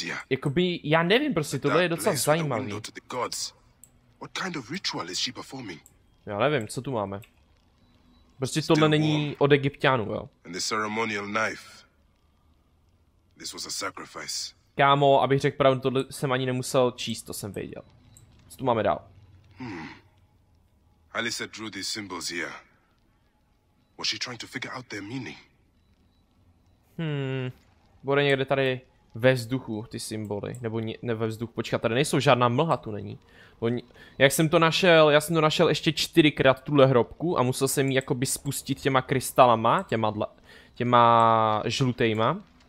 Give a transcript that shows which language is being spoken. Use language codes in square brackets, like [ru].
[cs] Jakoby, já nevím prostě, tohle je docela zajímavý. [en] What kind of ritual is she performing? [cs] Já nevím, co tu máme. Prostě tohle není od Egypťanů, jo. [en] And the ceremonial knife. This was a sacrifice. [cs] Kámo, abych řekl pravdu, tohle jsem ani nemusel číst, to jsem věděl. Co tu máme dál? [en] Alyssa drew these symbols here. Was she trying to figure out their meaning? [cs] Bude někde tady ve vzduchu ty symboly, nebo ne ve vzduchu, počkat, tady nejsou žádná mlha, tu není. Oni, já jsem to našel ještě čtyřikrát tuhle hrobku a musel jsem ji jakoby spustit těma krystalama, těma žlutejma.